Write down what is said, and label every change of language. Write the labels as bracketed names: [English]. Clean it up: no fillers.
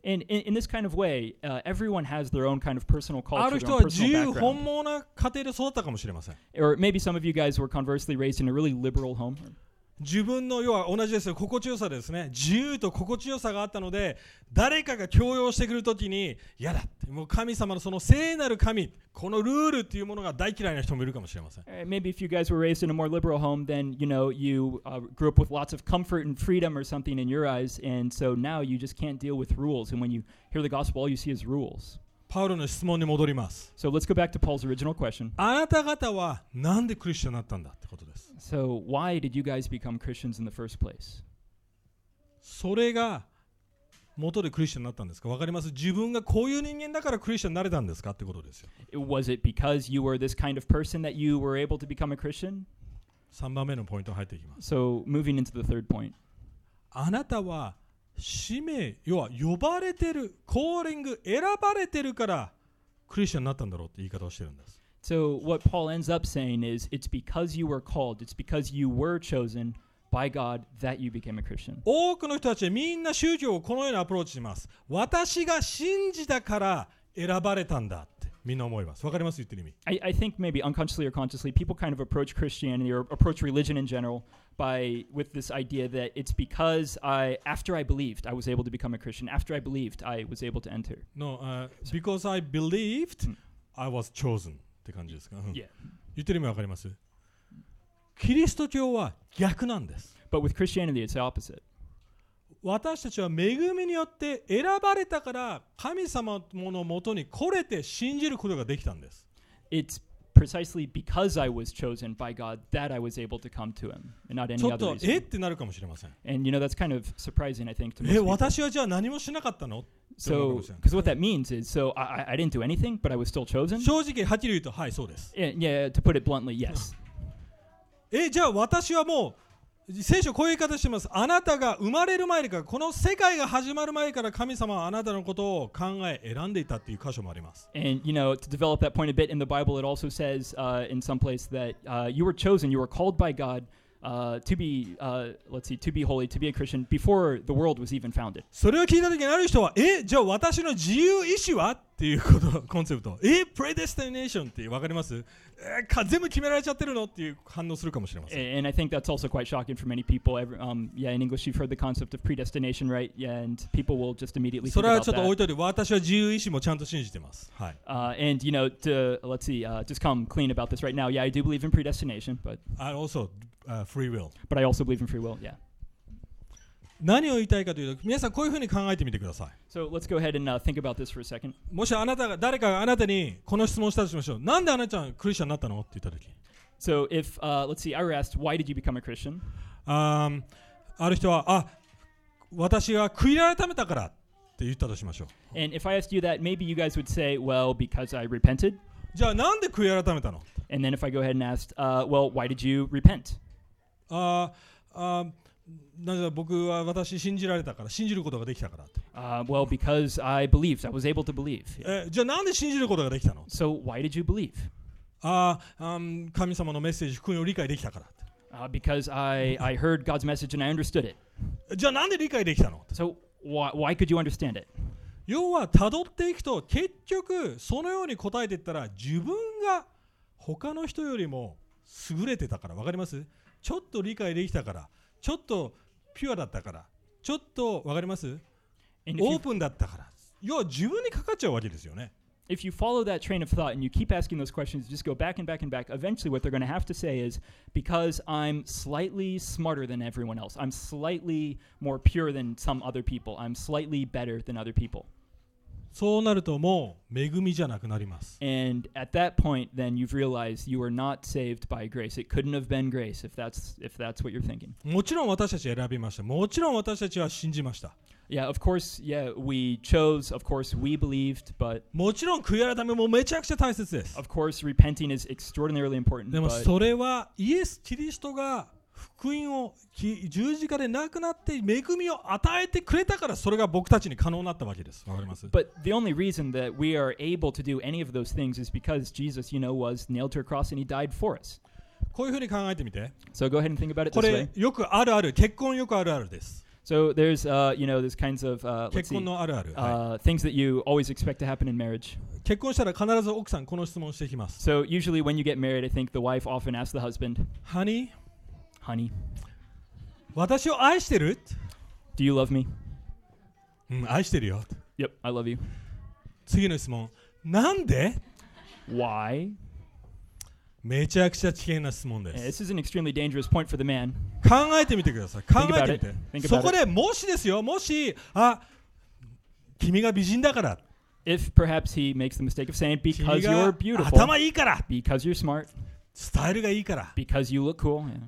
[English] And in this kind of way, everyone has their own kind of personal culture. [Japanese] ある人は自由奔放な家庭で育ったかもしれません。 [English] Or maybe some of you guys were conversely raised in a really liberal home. [Japanese] 自分の要は同じですよ、心地よさですね、自由と心地よさがあったので誰かが強要してくるときに嫌だって、もう神様のその聖なる神、このルールっていうものが大嫌いな人もいるかもしれません。 [English] Maybe if you guys were raised in a more liberal home, then you know you grew up with lots of comfort and freedom or something in your eyes, and so now you just can't deal with rules. And when you hear the gospel, all you see is rules. [Japanese] パウロの質問に戻ります。 [English] So let's go back to Paul's original question. [Japanese] あなた方はなんでクリスチャンになったんだってことです。 [English] So why did you guys become Christians in the first place? [Japanese] それが元でクリスチャンになったんですか? わかります? 自分がこういう人間だからクリスチャンになれたんですか? ってことですよ。 [English] Was it because you were this kind of person that you were able to become a Christian? [Japanese] 3番目のポイント入っていきます。 [English] So moving into the third point. [Japanese] あなたは使命、要は呼ばれてる、コーリング、選ばれてるからクリスチャンになったんだろうって言い方をしてるんです。 [English] So what Paul ends up saying is, it's because you were called, it's because you were chosen by God that you became a Christian. [Japanese] 多くの人たちはみんな宗教をこのようなアプローチします。私が信じたから選ばれたんだって。みんな思います。わかります？言ってる意味。 [English] I think maybe unconsciously or consciously, people kind of approach Christianity or approach religion in general by with this idea that it's because I, after I believed, I was able to become a Christian. After I believed, I was able to enter. No, because I believed, I was chosen. [Japanese] って感じですか？ [English] Yeah. [Japanese] 言ってる意味わかります？キリスト教は逆なんです。 [English] But with Christianity, it's the opposite. [Japanese] 私たちは恵みによって選ばれたから神様のもとに来れて信じることができたんです。 [English] It's precisely because I was chosen by God that I was able to come to Him, and not any other reason. [Japanese] ちょっとえってなるかもしれません。 [English] And you know that's kind of surprising, I think, to most people. [Japanese] 私はじゃあ何もしなかったの？ [English] So, because what that means is, so I didn't do anything, but I was still chosen. [Japanese] 正直はっきり言うと、はい、そうです。 [English] Yeah, to put it bluntly, yes. [Japanese] じゃあ私はもう聖書こういう言い方してます。あなたが生まれる前から、この世界が始まる前から神様はあなたのことを考え選んでいたっていう箇所もあります。 [English] And you know, to develop that point a bit in the Bible, it also says, in some place that, you were chosen, you were called by God, to be, let's see, to be holy, to be a Christian before the world was even founded. [Japanese] それを聞いた時にある人は、じゃあ私の自由意志はっていうことコンセプト。 Predestination ってわかります？全部決められちゃってるのっていう反応するかもしれません。 [English] And I think that's also quite shocking for many people. Yeah, in English you've heard the concept of predestination, right? Yeah, and people will just immediately think about that. [Japanese] それはちょっと置いといて、私は自由意志もちゃんと信じてます。はい。 [English] And you know, to, let's see, just come clean about this right now. Yeah, I do believe in predestination, but... I also, free will. But I also believe in free will, yeah. [Japanese] 何を言いたいかというと、皆さんこういうふうに考えてみてください。 [English] So let's go ahead and think about this for a second. [Japanese] もしあなたが誰かがあなたにこの質問をしたとしましょう。なんであなたはクリスチャンになったのって言ったとき。 [English] So if, let's see, I were asked, why did you become a Christian? [Japanese] ある人は、あ、私は悔い改めたからって言ったとしましょう。 [English] And if I asked you that, maybe you guys would say, well, because I repented. [Japanese] じゃあなんで悔い改めたの？ [English] And then if I go ahead and asked, well, why did you repent? [Japanese] なぜ僕は私信じられたから信じることができたからって。 [English] Well, because I believed, I was able to believe. [Japanese] じゃあなんで信じることができたの [English] ？So why did you believe? [Japanese] 神様のメッセージ、福音を理解できたからって。 [English] Because I heard God's message and I understood it. [Japanese] じゃあなんで理解できたの [English] ？So why could you understand it? [Japanese] 要は辿っていくと結局そのように答えていったら自分が他の人よりも優れてたからわかります？ちょっと理解できたから。ちょっとピュアだったから、ちょっとわかります？オープンだったから、要は自分にかかっちゃうわけですよね。 [English] If you follow that train of thought and you keep asking those questions, just go back and back and back, eventually what they're going to have to say is, because I'm slightly smarter than everyone else, I'm slightly more pure than some other people, I'm slightly better than other people. そうなるともう恵みじゃなくなります。 And at that point, then you've realized you are not saved by grace. It couldn't have been grace if that's what you're thinking. [Japanese] もちろん私たち選びました。もちろん私たちは信じました。 [English] Yeah, of course, yeah, we chose, of course, we believed, but... [Japanese] もちろん悔い改めもめちゃくちゃ大切です。 [English] Of course, repenting is extraordinarily important, [Japanese] でもそれはイエス・キリストが福音を十字架で亡くなって恵みを与えてくれたからそれが僕たちに可能になったわけです。わかります？ [English] But the only reason that we are able to do any of those things is because Jesus, you know, was nailed to a cross and he died for us. こういうふうに考えてみて。 So go ahead and think about it way. [Japanese] これよくあるある、結婚よくあるあるです。 [English] So there's, you know, these kinds of, let's see, things that you always expect to happen in marriage. [Japanese] 結婚したら必ず奥さんこの質問してきます。 [English] So usually when you get married, I think the wife often asks the husband, Honey? Honey. [Japanese] 私を愛してる? [English] Do you love me? [Japanese] 愛してるよ。 [English] Yep, I love you. [Japanese] 次の質問。なんで? [English] Why? [Japanese] めちゃくちゃ危険な質問です。 [English] This is an extremely dangerous point for the man. [Japanese] 考えてみてください。 [English] Think about it. [Japanese] そこでもしですよ、もし、あ、君が美人だから。 [English] If perhaps he makes the mistake of saying, because you're beautiful. [Japanese] 頭いいから。 [English] Because you're smart. [Japanese] スタイルがいいから。 [English] Because you look cool, yeah.